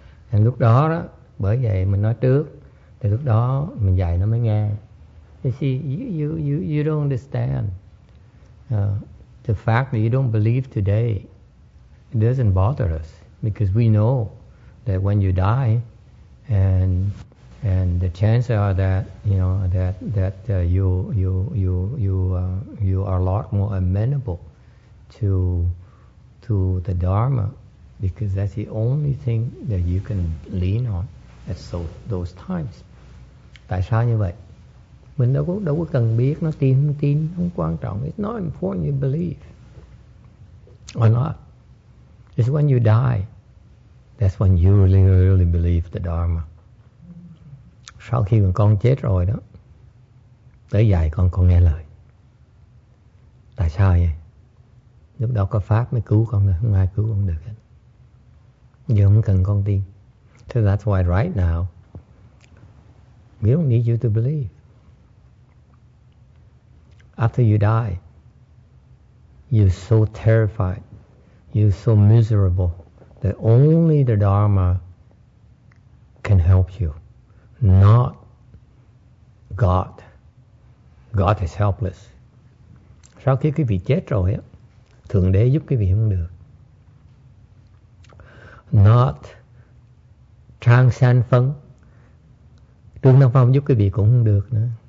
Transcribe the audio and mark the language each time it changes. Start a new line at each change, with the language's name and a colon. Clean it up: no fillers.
Vietnamese: And lúc đó, bởi vậy mình nói trước, thì lúc đó mình dạy nó mới nghe.
English: You see, you don't understand. The fact that you don't believe today, it doesn't bother us, because we know that when you die, and the chances are that, you know, that you are a lot more amenable to the Dharma, because that's the only thing that you can lean on at so those times.
Vietnamese: Tại sao như vậy? Mình đâu có cần biết nó tin không tin, không quan trọng.
English: It's not important you believe or not. It's when you die, that's when you really, really believe the Dharma.
Vietnamese: Sau khi con chết rồi đó, tới dài con nghe lời. Tại sao vậy? Lúc đó có Pháp mới cứu con được, không ai cứu con được hết. Giờ không cần con tin.
English: So that's why right now, we don't need you to believe. After you die, you're so terrified, you're so miserable, that only the Dharma can help you, not God. God is helpless.
Vietnamese: Sau khi quý vị chết rồi, Thượng Đế giúp quý vị không được.
English: Not Trang San Phân,
Vietnamese: Trương Nam Phong giúp quý vị cũng không được nữa.